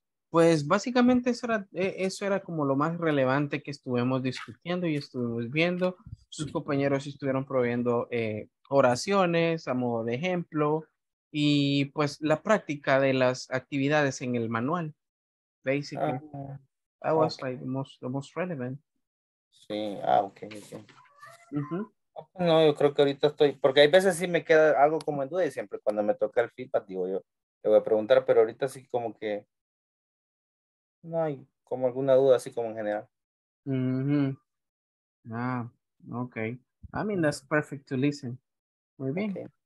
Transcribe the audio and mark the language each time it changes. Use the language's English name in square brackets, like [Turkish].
[Spanish] Pues básicamente eso era como lo más relevante que estuvimos discutiendo y estuvimos viendo. Sus compañeros estuvieron proveyendo oraciones a modo de ejemplo y pues la práctica de las actividades en el manual. [English] Basically, that was okay. Like the most relevant. [Spanish] Sí, okay. Uh-huh. No, yo creo que ahorita estoy, porque hay veces sí me queda algo como en duda y siempre cuando me toca el feedback digo yo, le voy a preguntar, pero ahorita sí como que no hay como alguna duda así como en general. [English] Mm-hmm. Okay. I mean, that's perfect to listen. [Spanish] Muy bien. [English] Okay.